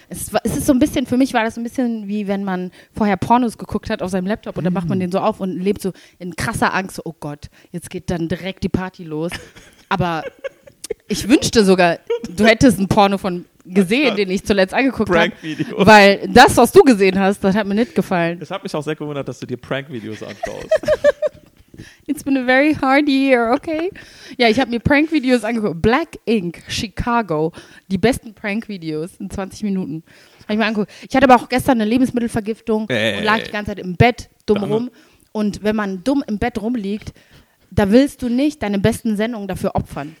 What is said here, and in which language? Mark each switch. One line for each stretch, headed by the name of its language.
German: Es ist so ein bisschen, für mich war das ein bisschen wie, wenn man vorher Pornos geguckt hat auf seinem Laptop und dann macht man den so auf und lebt so in krasser Angst. Oh Gott, jetzt geht dann direkt die Party los. Aber ich wünschte sogar, du hättest ein Porno von gesehen, den ich zuletzt angeguckt habe. Prank-Videos. Weil das, was du gesehen hast, das hat mir nicht gefallen. Es hat mich auch sehr gewundert, dass du dir Prank-Videos anschaust.
English: It's been a very hard year, okay?
German: Ja, ich habe mir Prank-Videos angeguckt. Black Ink, Chicago. Die besten Prank-Videos in 20 Minuten. Habe ich mir angeguckt. Ich hatte aber auch gestern eine Lebensmittelvergiftung und lag die ganze Zeit im Bett dumm rum. Und wenn man dumm im Bett rumliegt, da willst du nicht deine besten Sendungen dafür opfern.